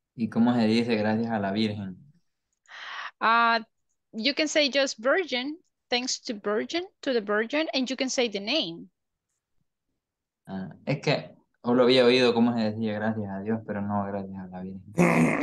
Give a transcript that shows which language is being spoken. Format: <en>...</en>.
<es>¿Y cómo se dice gracias a la Virgen?</es> <en>You can say just Virgin, thanks to Virgin, to the Virgin, and you can say the name.</en> <es>Es que. O lo había oído cómo se decía gracias a Dios, pero no gracias a la Virgen.</es>